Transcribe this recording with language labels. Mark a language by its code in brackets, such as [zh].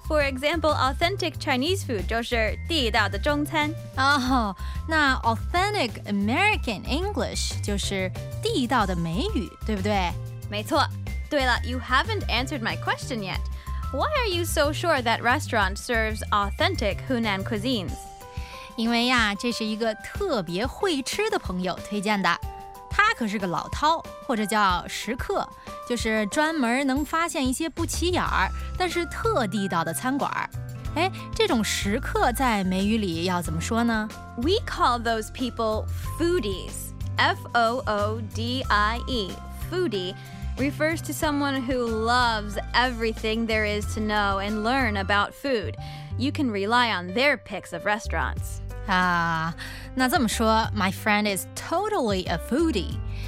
[en] For example, authentic Chinese food [zh] 就是地道的中餐. Oh, 那 [en] authentic American English [zh] 就是地道的美语，对不对？没错。对了, [en] you haven't answered my question yet. Why are you so sure that restaurant serves authentic Hunan cuisines? [zh] 因为呀，这是一个特别会吃的朋友推荐的。他可是个老饕，或者叫食客，就是专门能发现一些不起眼儿，但是特地道的餐馆。哎，这种食客在美语里要怎么说呢？ [en] We call those people foodies. F-O-O-D-I-E, foodie. refers to someone who loves everything there is to know and learn about food. You can rely on their picks of restaurants. Ah, [zh] 那这么说, [en] my friend is totally a foodie.